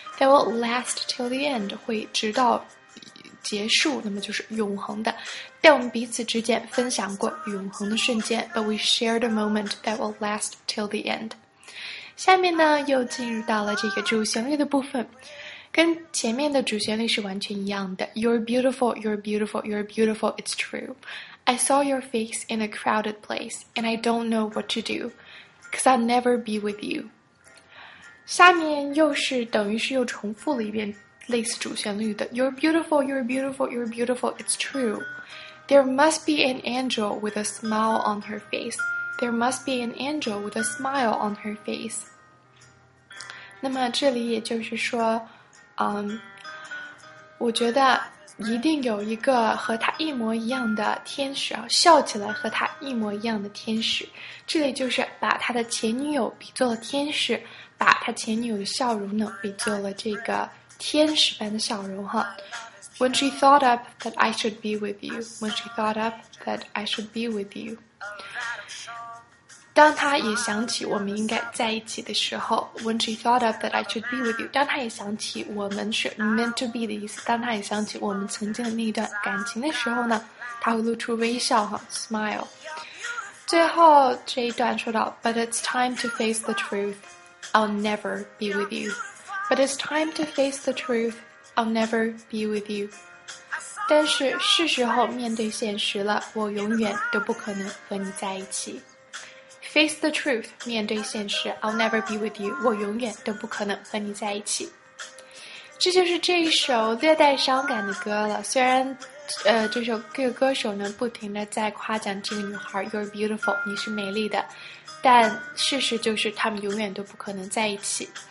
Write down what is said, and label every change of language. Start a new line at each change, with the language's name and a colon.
English: That will last till the end,
Chinese: 会直到结束。那么就是永恒的。但我们彼此之间分享过永恒的瞬间。
English: But we shared a moment that will last till the end.
Chinese: 下面呢，又进入到了这个主旋律的部分。跟前面的主旋律是完全一样的
English: You're beautiful, you're beautiful, you're beautiful, it's true I saw your face in a crowded place And I don't know what to do Cause I'll never be with you
Chinese: 下面又是等于是又重复了一遍类似主旋律的
English: You're beautiful, you're beautiful, you're beautiful, it's true There must be an angel with a smile on her face There must be an angel with a smile on her face
Chinese: 那么这里也就是说我觉得一定有一个和他一模一样的天使，笑起来和他一模一样的天使。这里就是把他的前女友比作了天使，把他前女友的笑容呢比作了这个天使般的笑容哈。
English: When she thought up that I should be with you, when she thought up that I should be with you.
Chinese: 当他也想起我们应该在一起的时候 ,
English: when she thought up that I should be with you,
Chinese: 当他也想起我们是
English: meant to be
Chinese: 的意思，当他也想起我们曾经的那一段感情的时候呢，他会露出微笑哈 ,smile. 最后这一段说到
English: ,but it's time to face the truth, I'll never be with you. But it's time to face the truth,I'll never be with you.
Chinese: 但是是时候面对现实了，我永远都不可能和你在一起。
English: Face the truth,
Chinese: 面对现实 ,
English: I'll never be with you,
Chinese: 我永远都不可能和你在一起。这就是这一首略带伤感的歌了，虽然这首歌歌手呢不停地在夸奖这个女孩 ,
English: You're beautiful,
Chinese: 你是美丽的，但事实就是他们永远都不可能在一起。